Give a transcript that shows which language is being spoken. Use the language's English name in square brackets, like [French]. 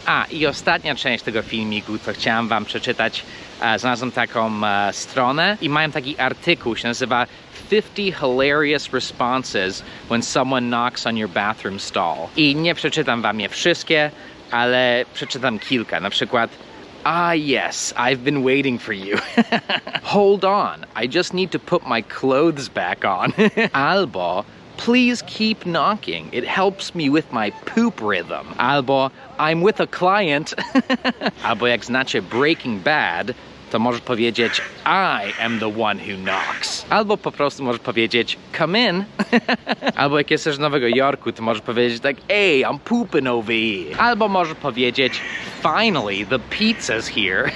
[Polish] A, i ostatnia część tego filmiku, to chciałem wam przeczytać. Znalazłem taką stronę i mają taki artykuł, się nazywa [English] 50 hilarious responses when someone knocks on your bathroom stall. [Polish] I nie przeczytam wam je wszystkie, ale przeczytam kilka. Na przykład, [English] ah yes, I've been waiting for you. Hold on, I just need to put my clothes back on. Albo, please keep knocking, it helps me with my poop rhythm. Albo, I'm with a client. [Polish] Albo jak znacie Breaking Bad, to możesz powiedzieć, [English] I am the one who knocks. [Polish] Albo po prostu możesz powiedzieć, [English] come in. [Polish] Albo jak jesteś w Nowego Jorku, to możesz powiedzieć tak, ej, [English] I'm pooping over here. [Polish] Albo możesz powiedzieć, [English] finally, the pizza's here.